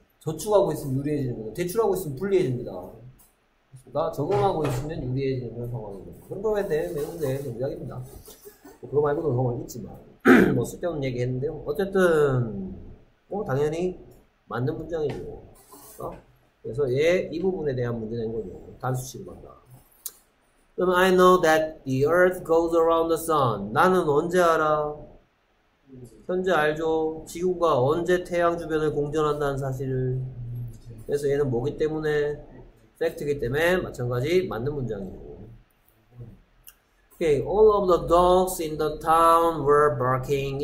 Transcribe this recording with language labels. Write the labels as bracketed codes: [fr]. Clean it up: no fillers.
[ko] 저축하고 있으면 유리해지는 거예요. 대출하고 있으면 불리해집니다. 그러니까 저금하고 있으면 유리해지는 그런 상황입니다. 그런 거에 대해 배우는 게 정답입니다. 그거 말고도 그런 건 있지만. 뭐, 쓸데없는 얘기 했는데요. 어쨌든, 뭐, 당연히 맞는 문장이죠. 그래서 얘, 이 부분에 대한 문제 낸 거죠. 단수치로 간다. [en] 그럼, I know that the earth goes around the sun. [ko] 나는 언제 알아? 현재 알죠? 지구가 언제 태양 주변을 공전한다는 사실을. 그래서 얘는 뭐기 때문에? 팩트기 때문에, 마찬가지, 맞는 문장이고. [en] Okay, all of the dogs in the town were barking.